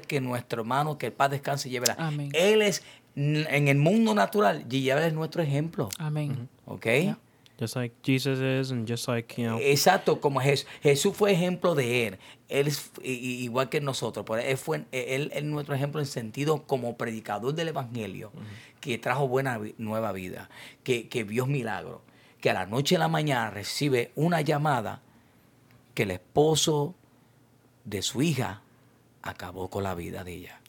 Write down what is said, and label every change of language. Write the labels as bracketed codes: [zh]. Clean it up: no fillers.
[es] que nuestro hermano, que el paz descanse y lleve la. Amén. Él es, en el mundo natural, Gigi Abel es nuestro ejemplo. Amén. [en] Mm-hmm. Okay. Yeah. Just like Jesus is, and just like, you know. [es] Exacto, como Jesús fue ejemplo de él. Él es igual que nosotros. Pero él fue él nuestro ejemplo en sentido como predicador del evangelio, mm-hmm, que trajo buena nueva vida, que vio milagro, que a la noche y a la mañana recibe una llamada que el esposo de su hija acabó con la vida de ella.